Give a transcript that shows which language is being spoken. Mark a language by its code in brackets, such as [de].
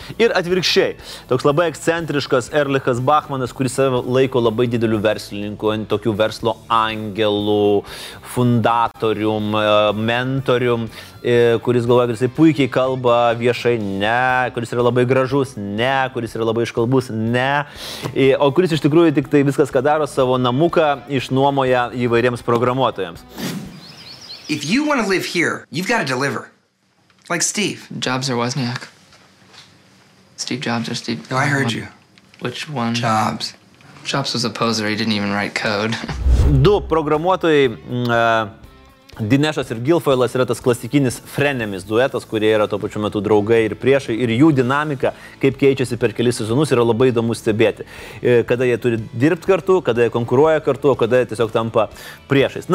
[lt] Ir atvirkščiai, toks labai ekscentriškas Erlichas Bachmanas, kuris save laiko labai dideliu verslininku, tokių verslo angelų, fundatorium, mentorium, kuris galvoja, kad jisai puikiai kalba viešai, ne, kuris yra labai gražus, ne, kuris yra labai iškalbus, ne, o kuris iš tikrųjų tik tai viskas, ką daro, savo namuką išnuomoja įvairiems programuotojams. [en] If you want to live here, you've got to deliver. Like Steve. Jobs or Wozniak? Steve Jobs or Steve... No, I heard you. Which one? Jobs. Jobs was a poser, he didn't even write code. [lt] Du programuotojai, Dinešas ir Gilfoilas yra tas klasikinis frenemis duetas, kurie yra tuo pačiu metu draugai ir priešai, ir jų dinamika, kaip keičiasi per kelis sezonus, yra labai įdomu stebėti. Kada jie turi dirbti kartu, kada jie konkuruoja kartu, o kada jie tiesiog tampa priešais.